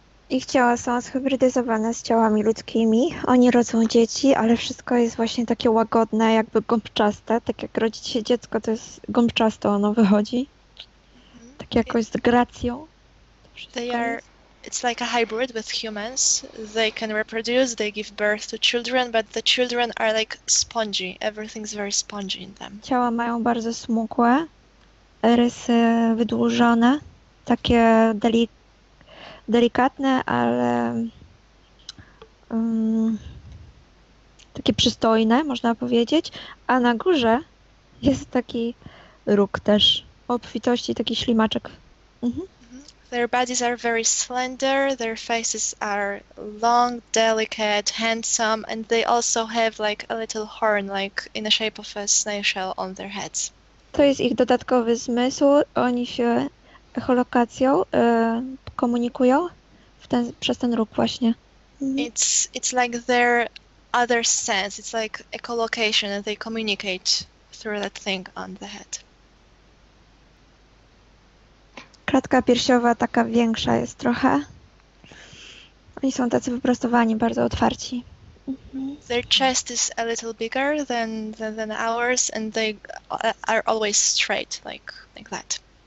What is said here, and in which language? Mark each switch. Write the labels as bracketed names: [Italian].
[Polish] Ich ciała są zhybrydyzowane z ciałami ludzkimi. Oni rodzą dzieci, ale wszystko jest właśnie takie łagodne, jakby gąbczaste. Tak jak rodzi się dziecko, to jest gąbczaste, ono wychodzi. Tak jakoś z gracją. [English] They are, it's like a hybrid with humans. They can reproduce, they give birth to children, but the children are like spongy. Everything's very spongy in them. [Polish] Ciała mają bardzo smukłe, rysy wydłużone, takie delikatne, ale takie przystojne, można powiedzieć. A na górze jest taki róg też, obfitości, taki ślimaczek. [English] Their bodies are very slender, their faces are long, delicate, handsome, and they also have like a little horn, like in the shape of a snail shell on their heads. [Polish] To jest ich dodatkowy zmysł. Oni się echolokacją komunikują przez ten róg właśnie. [English] It's like their other sense, it's like echolocation, and they communicate through that thing on the head. [Polish] Klatka piersiowa taka większa jest trochę. Oni są tacy wyprostowani, bardzo otwarci. [English] Their chest is a little bigger than ours, and they are always straight, like that.